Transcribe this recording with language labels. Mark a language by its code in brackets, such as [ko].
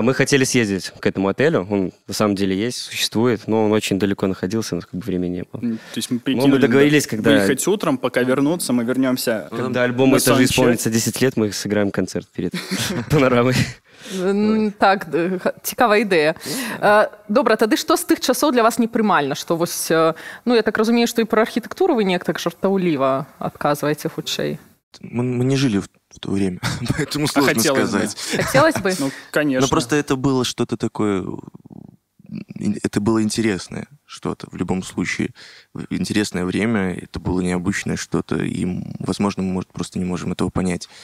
[ru] Мы хотели съездить к этому отелю. Он на самом деле есть, существует, но он очень далеко находился, у нас как бы времени не было. То есть мы прикинули, мы договорились, когда выехать утром, пока вернуться, мы вернемся. Когда альбом это же исполнится 10 лет, мы сыграем концерт перед панорамой. [be] Так, цікавая ідэя. Добра, тады што з тых часоў для вас непрымальна? Што вось, ну, я так разумею, што і пра архітэктуру вы неяк так жартаўліва адказваеце хутчэй. [ru] Мы не жылі в то время, поэтому сложно сказать. Хотелось бы. Ну, конечно. Но просто это было что-то такое, это было интересное что-то, в любом случае. Интересное время, это было необычное что-то, и, возможно, мы просто не можем этого понять.